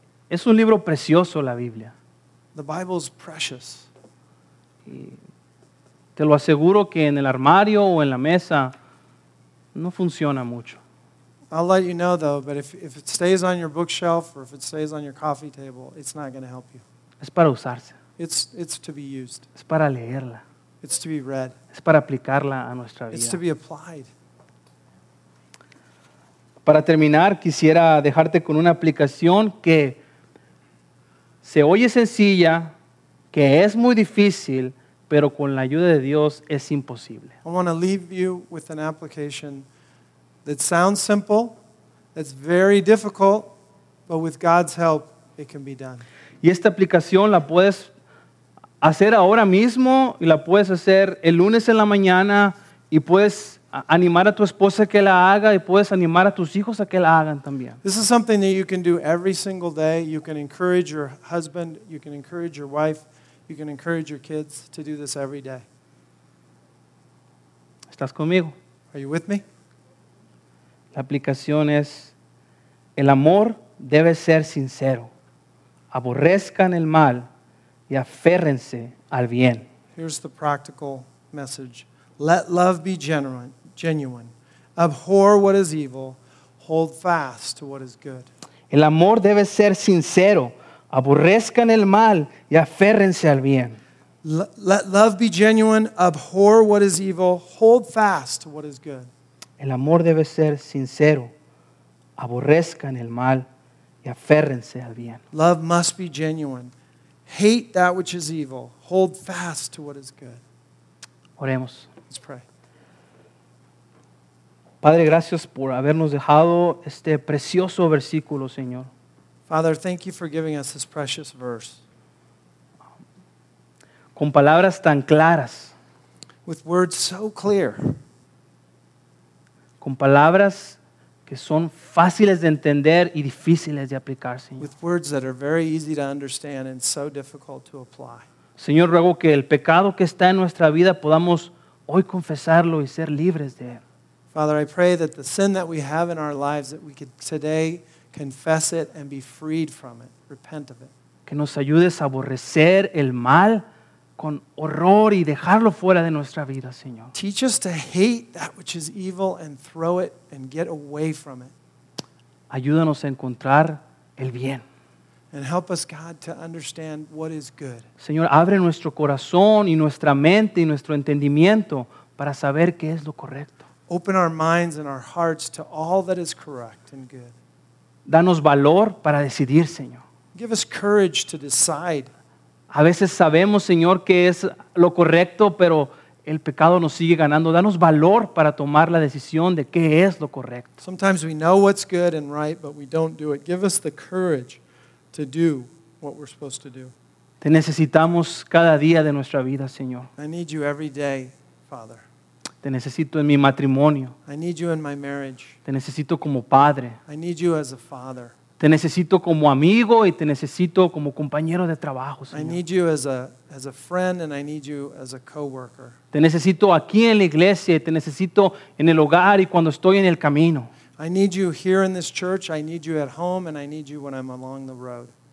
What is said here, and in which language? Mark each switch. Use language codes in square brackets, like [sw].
[es] Es un libro precioso, la Biblia. [en] The Bible is precious. [es] Y te lo aseguro que en el armario o en la mesa no funciona mucho. [en] I'll let you know, though, but if it stays on your bookshelf or if it stays on your coffee table, it's not going to help you. [es] Es para usarse. [en] It's to be used. [es] Es para leerla. [en] It's to be read. [es] Es para aplicarla a nuestra vida. [en] It's to be applied. [es] Para terminar, quisiera dejarte con una aplicación que se oye sencilla, que es muy difícil, pero con la ayuda de Dios es imposible. [en] I want to leave you with an application that sounds simple, that's very difficult, but with God's help, it can be done. [es] Y esta aplicación la puedes hacer ahora mismo y la puedes hacer el lunes en la mañana y puedes animar a tu esposa que la haga y puedes animar a tus hijos a que la hagan también. [en] This is something that you can do every single day. You can encourage your husband, you can encourage your wife, You can encourage your kids to do this every day. [es] ¿Estás conmigo? [en] Are you with me? [es] La aplicación es, el amor debe ser sincero. Aborrezcan el mal y aférrense al bien. [en] Here's the practical message. Let love be genuine. Abhor what is evil. Hold fast to what is good. [es] El amor debe ser sincero. Aborrezcan el mal y aférrense al bien. [en] Let love be genuine. Abhor what is evil. Hold fast to what is good. [es] El amor debe ser sincero. Aborrezcan el mal y aférrense al bien. [en] Love must be genuine. Hate that which is evil. Hold fast to what is good. [es] Oremos. [en] Let's pray. [es] Padre, gracias por habernos dejado este precioso versículo, Señor. [en] Father, thank you for giving us this precious verse. [es] Con palabras tan claras. [en] With words so clear. [es] Con palabras que son fáciles de entender y difíciles de aplicar, Señor. [en] With words that are very easy to understand and so difficult to apply. [es] Señor, ruego que el pecado que está en nuestra vida podamos hoy confesarlo y ser libres de él. [en] Father, I pray that the sin that we have in our lives, that we could today confess it and be freed from it, repent of it. [es] Que nos ayudes a aborrecer el mal con horror y dejarlo fuera de nuestra vida, Señor. [en] Teach us to hate that which is evil and throw it and get away from it. [es] Ayúdanos a encontrar el bien. [en] And help us, God, to understand what is good. [es] Señor, abre nuestro corazón y nuestra mente y nuestro entendimiento para saber qué es lo correcto. [en] Open our minds and our hearts to all that is correct and good. [es] Danos valor para decidir, Señor. [en] Give us courage to decide. [es] A veces sabemos, Señor, que es lo correcto, pero el pecado nos sigue ganando. Danos valor para tomar la decisión de qué es lo correcto. [en] Sometimes we know what's good and right, but we don't do it. Give us the courage to do what we're supposed to do. [es] Te necesitamos cada día de nuestra vida, Señor. [en] I need you every day, Father. [es] Te necesito en mi matrimonio. [en] I need you in my marriage. [es] Te necesito como padre. [en] I need you as a father. [es] Te necesito como amigo y te necesito como compañero de trabajo, Señor. [en] I need you as a friend and I need you as a coworker. [es] Te necesito aquí en la iglesia, te necesito en el hogar y cuando estoy en el camino. [en] I need you here in this church, I need you at home and I need you when I'm along the road.